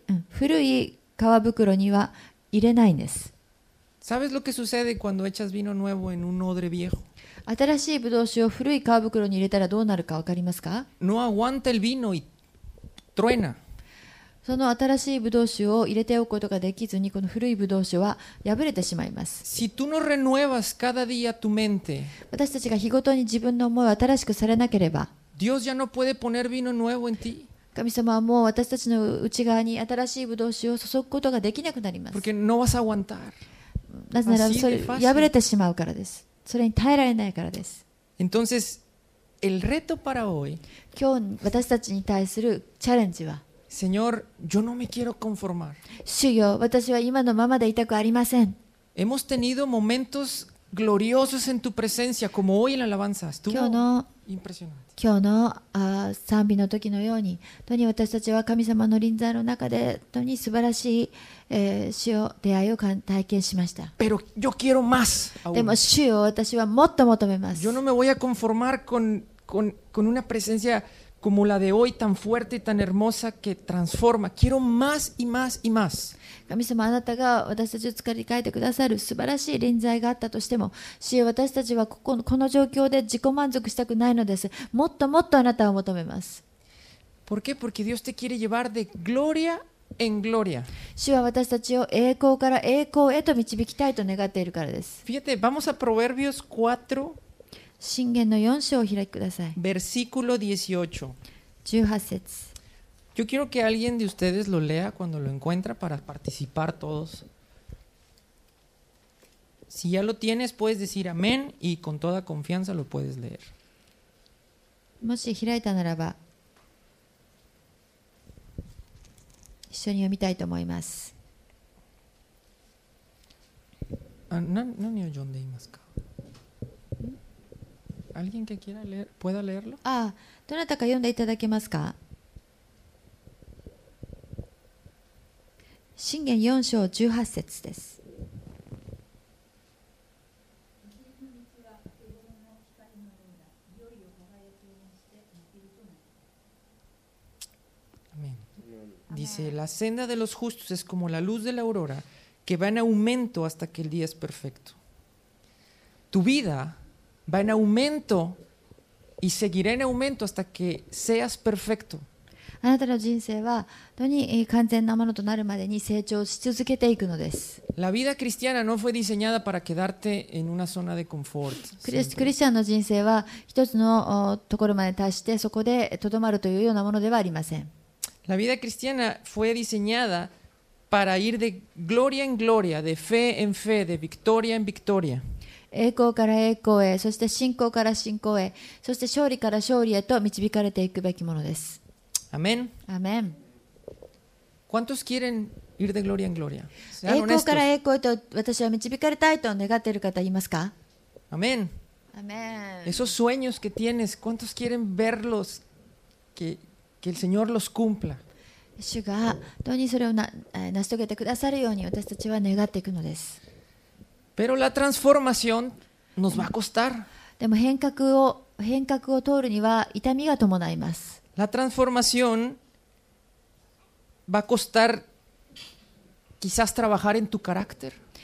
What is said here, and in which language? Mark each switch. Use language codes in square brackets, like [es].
[ja] 古い皮袋には入れないんです。 [es] ¿Sabes lo que sucede cuando echas vino nuevo en un odre viejo? [ja] 新しいブドウ酒を古い皮袋に入れたらどうなるか分かりますか? [es] No aguanta el vino y truena. [ja] その新しいブドウ酒を入れておくことができずに、この古いブドウ酒は破れてしまいます。 [es] Si tú no renuevas cada día tu mente, [ja] 私たちが日ごとに自分の思いを新しくされなければ、 [es] Dios ya no puede poner vino nuevo en ti. [ja] 神様はもう私たちの内側に新しいブドウ酒を注ぐことができなくなります。 [es] Porque no vas a aguantar. [ja] なぜならそれ破れてしまうからです。それに耐えられないからです。 [es] Entonces, el reto para hoy, [ja] 今日私たちに対するチャレンジは、 [es] Señor, yo no me quiero conformar. [ja] 主よ、私は今のままでいたくありません。 [es] Hemos tenido momentos gloriosos en tu presencia, como hoy en la alabanza. Estuvo impresionante. [ja] 今日の賛美の時のように、本当に私たちは神様の臨在の中で本当に素晴らしい主を出会いを体験しました。 [es] Pero yo quiero más. [ja] でも主を私はもっと求めます。 [es] Yo no me voy a conformar con una presencia como la de hoy tan fuerte y tan hermosa que transforma. Quiero más y más y más. [ja] 神様、あなたが私たちを使い変えてくださる素晴らしい臨在があったとしても、主よ、私たちはこの状況で自己満足したくないのです。もっともっとあなたを求めます。 [es] ¿Por qué? Porque Dios te quiere llevar de gloria en gloria. [ja] 主は私たちを栄光から栄光へと導きたいと願っているからです。 [es] Fíjate, vamos a Proverbios 4. [ja] 箴言の4章を開きください。 [es] Versículo 18. [ja] 18節。 [es] Yo quiero que alguien de ustedes lo lea cuando lo encuentra para participar todos. Si ya lo tienes, puedes decir amén y con toda confianza lo puedes leer. [ja] もし開いたならば一緒に読みたいと思います。何を読んでいますか？ [es] Alguien que quiera leer, pueda leerlo? [ja] Ah, どなたか読んでいただけますか？箴言4章18節です。 [es] Dice, la senda de los justos es como la luz de la aurora, que va en aumento hasta que el día es perfecto. Tu vida va en aumento y seguirá en aumento hasta que seas perfecto. [ja] あなたの人生は本当に完全なものとなるまでに成長し続けていくのです。 [es] La vida cristiana no fue diseñada para quedarte en una zona de confort. [ja] クリスチャンの人生は一つのところまで達してそこでとどまるというようなものではありません。 [es] La vida cristiana fue diseñada para ir de gloria en gloria, de fe en fe, de victoria en victoria. [ja] 栄光から栄光へ、そして信仰から信仰へ、そして勝利から勝利へと導かれていくべきものです。 [es] Amén. Amén. ¿Cuántos quieren ir de gloria en gloria? [ja] 栄光から栄光へと私は導かれたいと願っている方いますか？ [es] Amén. Amén. Esos sueños que tienes, ¿cuántos quieren verlos? Que el Señor los cumpla. [ja] 主が本当にそれを成し遂げてくださるように私たちは願っていくのです。 [es] Pero la transformación nos va a costar. [ja] でも変革を通るには痛みが伴います。 [es] La transformación va a costar quizás trabajar en tu carácter.